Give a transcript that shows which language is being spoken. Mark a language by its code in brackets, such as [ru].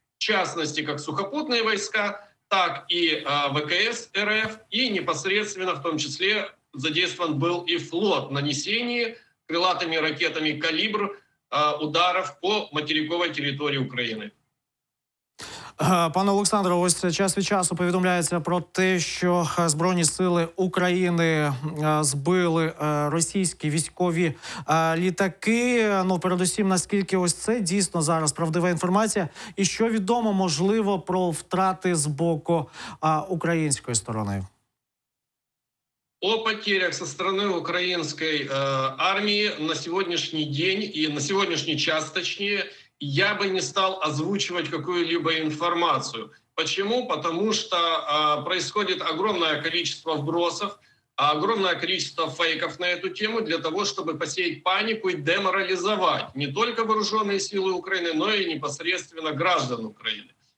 [ru] В частности, как сухопутные войска, так и ВКС РФ, и непосредственно в том числе задействован был и флот нанесения крылатыми ракетами «Калибр» ударов по материковой территории Украины. [uk] Пане Олександре, ось час від часу повідомляється про те, що Збройні сили України збили російські військові літаки. Ну, передусім, наскільки ось це дійсно зараз правдива інформація? І що відомо, можливо, про втрати з боку української сторони? [ru] О потерях со стороны украинской армии на сегодняшний день и на сегодняшний час, точнее, я бы не стал озвучивать какую-либо информацию. Почему? Потому что происходит огромное количество вбросов, огромное количество фейков на эту тему для того, чтобы посеять панику и деморализовать не только вооруженные силы Украины, но и непосредственно граждан Украины.